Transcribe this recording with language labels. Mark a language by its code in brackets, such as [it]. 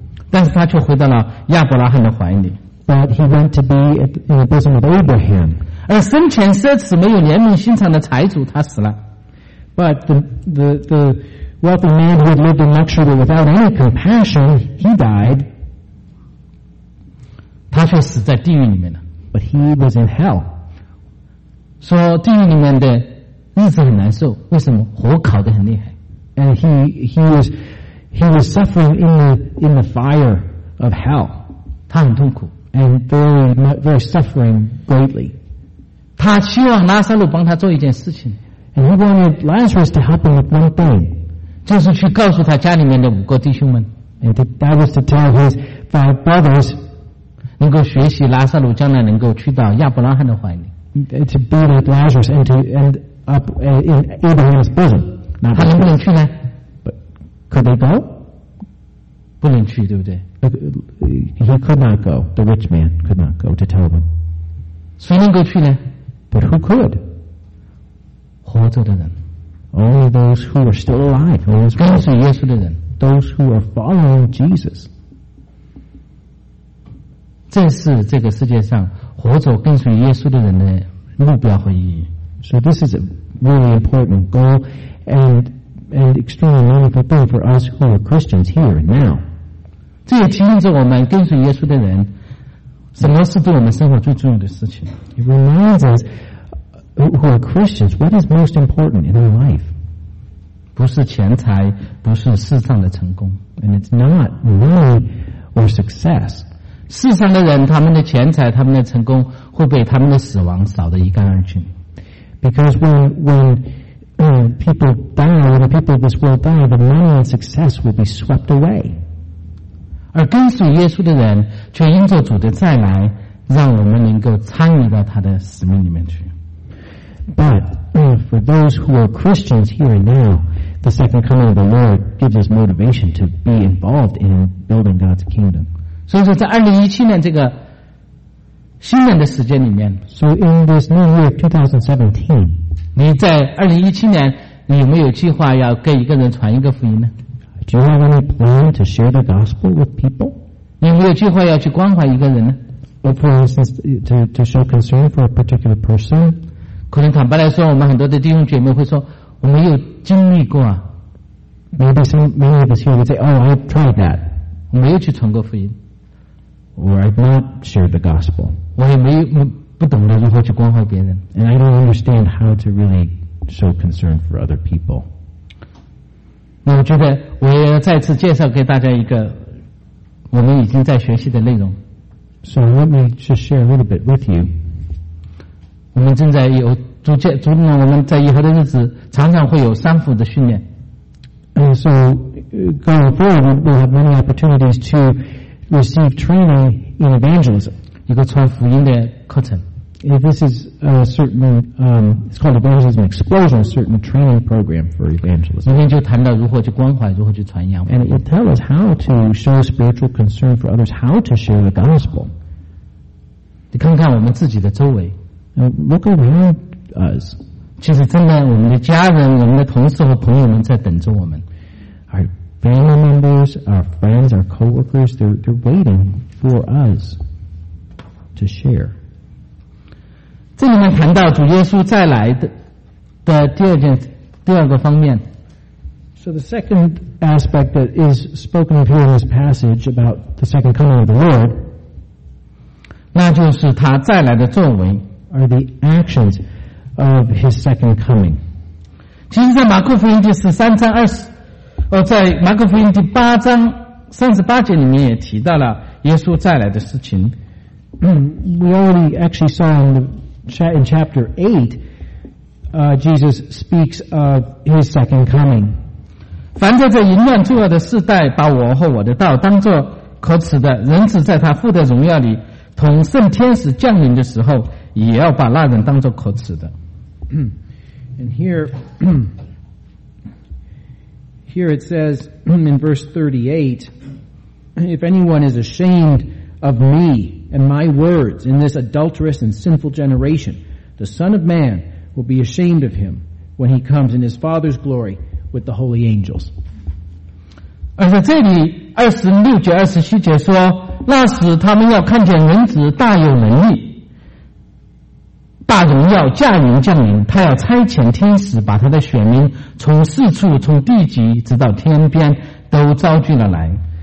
[zh] 但是他却回到了亚伯拉罕的怀里 [en] But he went to be in the bosom of Abraham [zh] 而生前奢侈没有怜悯心肠的财主他死了 [en] But the wealthy man who had lived in luxury without any compassion, he died. [zh] 他却死在地狱里面了。 [en] But he was in hell. [zh] 说地狱里面的日子很难受，为什么？火烤得很厉害。 [en] And he was suffering in the fire of hell. [zh] 他很痛苦。 [en] And very, very suffering greatly. [zh] 他希望拉撒路帮他做一件事情。 [en] And he wanted Lazarus to help him with one thing. [zh] 就是去告诉他家里面的五个弟兄们 [en] And that was to tell his five brothers [zh] 能够学习拉撒路将来能够去到亚伯拉罕的怀里 [en] To be like Lazarus and to end up in Abraham's bosom [zh] 他能不能去呢 [en] But could they go? [zh] 不能去对不对 [en] He could not go The rich man could not go to tell them [zh] 谁能够去呢 [en] But who could? [zh] 活着的人 [en] Only those who are still alive, those who are following Jesus. [zh] 这是这个世界上活着跟随耶稣的人的目标和意义。 [en] So this is a really important goal and extremely meaningful thing for us who are Christians here and now. [zh] 这也提醒着我们跟随耶稣的人，什么是对我们生活最重要的事情。 [en] It reminds us. Who are Christians, what is most important in their life? [zh] 不是钱财，不是世上的成功。 [en] And it's not money or success. [zh] 世上的人，他们的钱财，他们的成功，会被他们的死亡扫得一干二净。 [en] Because when people of this world die, the money and success will be swept away. [zh] 而跟随耶稣的人，却因着主的再来，让我们能够参与到他的使命里面去。 [en] But for those who are Christians here and now, the second coming of the Lord gives us motivation to be involved in building God's kingdom. So in 2017, this new year of 2017, [zh] 你在 2017年，你有没有计划要给一个人传一个福音呢？ [en] Do you have any plan to share the gospel with people? [zh] 你没有计划要去关怀一个人呢？ [en] For instance, to show concern for a particular person. [zh] 可能坦白来说，我们很多的弟兄姐妹会说，我没有经历过啊。 [en] Maybe many of us here would say, "Oh, I've tried that." [zh] 我没有去传过福音。 [en] Or I've not shared the gospel. [zh] 我也没有不懂得如何去关怀别人。 [en] And I don't understand how to really show concern for other people. [zh] 那我觉得我也再次介绍给大家一个我们已经在学习的内容。 [en] So let me just share a little bit with you. [zh] 我们正在有逐渐逐渐我们在以后的日子常常会有三辅的训练。 [en] And so going forward, we'll have many opportunities to receive training in evangelism. [zh] 一个传福音的课程。 [en] If this is a certain, it's called Evangelism Explosion, a certain training program for evangelism. [zh] 今天就谈到如何去关怀，如何去传扬。 [en] And it will tell us how to show spiritual concern for others, how to share the gospel. [zh] 你看看我们自己的周围。 [en] Look around us. [zh] 其实真的，我们的家人、我们的同事和朋友们在等着我们。 [en] Our family members, our friends, our coworkers, they're waiting for us to share. [zh] 这里面谈到主耶稣再来 的第二件第二个方面。 [en] So the second aspect that is spoken of here in this passage about the second coming of the Lord, [zh] 那就是他再来的作为 [en] are the actions of his second coming. [zh] 其实在马可福音第十三章二十，在马可福音第八章三十八节里面也提到了耶稣再来的事情。 [en] We already actually saw in chapter 8, Jesus speaks of his second coming. [zh] 凡在这淫乱作恶的世代把我和我的道当作可耻的，人子在他父的荣耀里同圣天使降临的时候也要把那人当作可耻的。 [en] And here it says in verse 38, if anyone is ashamed of meAnd my words in this adulterous and sinful generation, the Son of Man will be ashamed of him when he comes in his Father's glory with the holy angels. [zh] 而在这里二十六节二十七节说，那时他们要看见人子大有能力，大荣耀驾云降临。他要差遣天使，把他的选民从四处、从地极直到天边都招聚了来。